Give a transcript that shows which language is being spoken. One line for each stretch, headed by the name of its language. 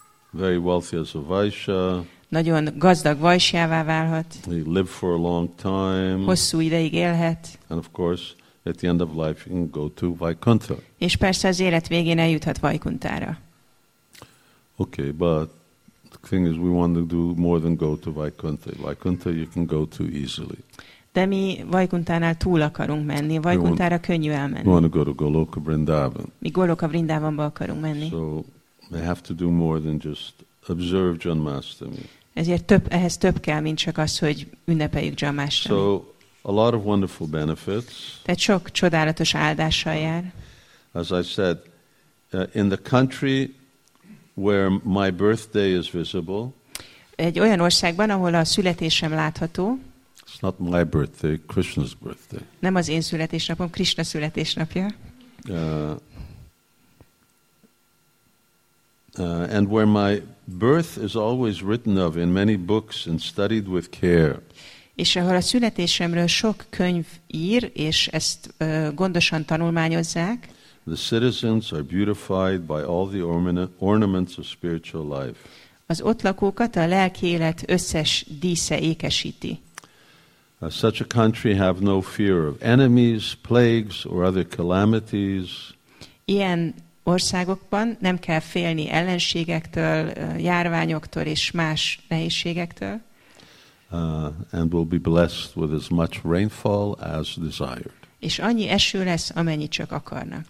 English: Very wealthy as a vaisya.
Hungarian: Nagyon gazdag vaisyává válhat.
English: He live for a long time.
Hungarian: Hosszú ideig élhet.
English: And of course, at the end of life, he can go to Vaikuntha.
Hungarian: És persze az élet végén eljuthat Vaikunthára.
English: Okay, but the thing is, we want to do more than go to Vaikuntha. Vaikuntha you can go to easily.
Hungarian: De mi Vaikunthánál túl akarunk menni. Vaikunthára könnyű elmenni.
English: We want to go to Goloka Vrindavan.
Hungarian: Mi Goloka Vrindavanba akarunk menni.
English: So they have to do more than just observe Janmashtami.
Hungarian: Ezért ehhez több kell, mint csak az, hogy ünnepeljük Janmashtami.
English: So a lot of wonderful benefits.
Hungarian: De sok csodálatos áldással jár.
English: As I said, in the country where my birthday is visible.
Hungarian: Egy olyan országban, ahol a születésem látható.
English: It's not my birthday, Krishna's birthday.
Hungarian: Nem az én születésnapom, Krishna születésnapja.
English: And where my birth is always written of in many books and studied with care.
Hungarian: És ahol a születésemről sok könyv ír, és ezt gondosan tanulmányozzák.
English: The citizens are beautified by all the ornaments of spiritual life.
Hungarian: Az ott lakókat a lelki élet összes dísze ékesíti.
English: Such a country have no fear of enemies, plagues or other calamities.
Hungarian: Ilyen országokban nem kell félni ellenségektől, járványoktól és más nehézségektől.
English: And will be blessed with as much rainfall as desired.
Hungarian: És annyi eső lesz, amennyi csak akarnak.